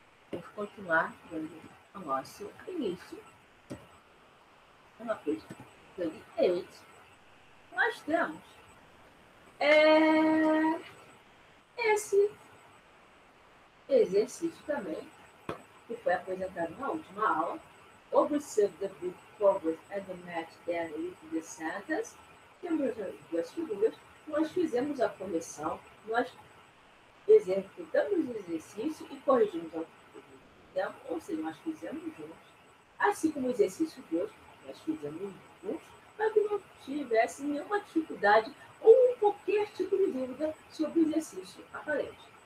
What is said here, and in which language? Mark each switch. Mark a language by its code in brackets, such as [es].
[pt] Vamos continuar dando o nosso início. Na page 38, nós temos esse exercício também, que foi apresentado na última aula. [en] Observe the book forward and match them with the sentence. [pt] Temos duas figuras. Nós fizemos a correção. Nós executamos o exercício e corrigimos ao tempo, ou seja, nós fizemos juntos, assim como o exercício de hoje, nós fizemos juntos, para que não tivesse nenhuma dificuldade ou qualquer tipo de dúvida sobre o exercício aparente.